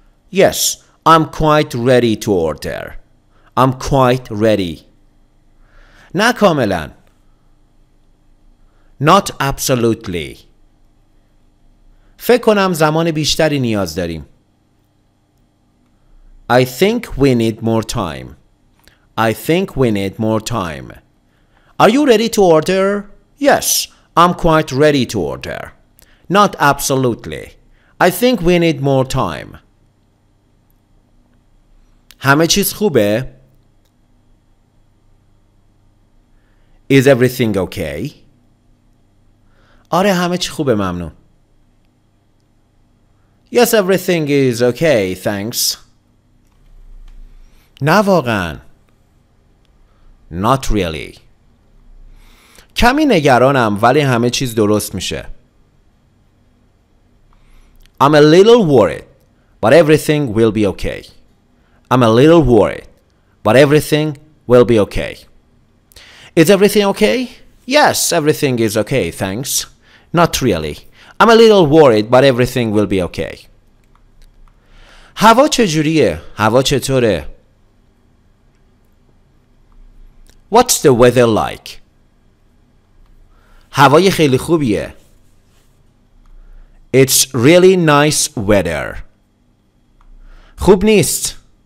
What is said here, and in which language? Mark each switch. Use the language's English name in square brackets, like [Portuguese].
[English] Yes, I'm quite ready to order. I'm quite ready. نه کاملا. Not absolutely. [Persian] فکر کنم زمان بیشتری نیاز داریم. [English] I think we need more time. I think we need more time. Are you ready to order? Yes, I'm quite ready to order. Not absolutely. I think we need more time. [Persian] همه چیز خوبه؟ Is everything okay? آره همه چی خوبه ممنون. [English] Yes, everything is okay, thanks. [Persian] نه واقعا. Not really. کمی نگرانم ولی همه چیز درست میشه. [English] I'm a little worried, but everything will be okay. I'm a little worried, but everything will be okay. Is everything okay? Yes, everything is okay, thanks. Not really. I'm a little worried, but everything will be okay. [Persian] هوا چجوریه؟ هوا چطوره؟ What's the weather like? هوای خیلی خوبیه. [English] It's really nice weather. خوب نیست.